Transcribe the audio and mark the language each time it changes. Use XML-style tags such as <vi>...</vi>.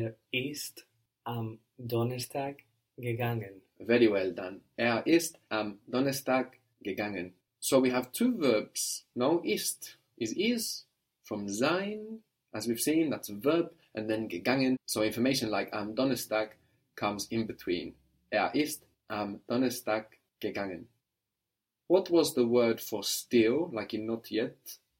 <de>Ist am Donnerstag gegangen.</de> <en>Very well done.</en> <de>Ist am Donnerstag gegangen.</de> <en>So we have two verbs, no? Ist is from sein, as we've seen, that's a verb, and then gegangen. So information like</en> <de>am Donnerstag</de> <en>comes in between.</en> <de>Ist am Donnerstag gegangen.</de> <en>What was the word for still, like in not yet?</en>